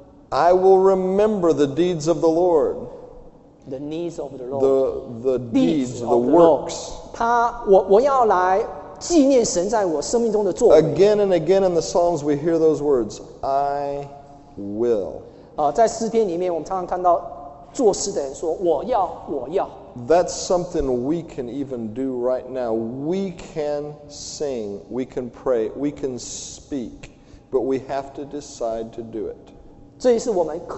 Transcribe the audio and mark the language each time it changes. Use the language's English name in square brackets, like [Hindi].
[English] I will remember the deeds of the Lord. The needs of the Lord. The deeds, the works. [Chinese] 我要来纪念神在我生命中的作为。 [English] Again and again in the Psalms, we hear those words, I will. [Chinese] 在诗篇里面，我们常常看到作诗的人说，我要，我要。 [English] That's something we can even do right now. We can sing, we can pray, we can speak, but we have to decide to do it.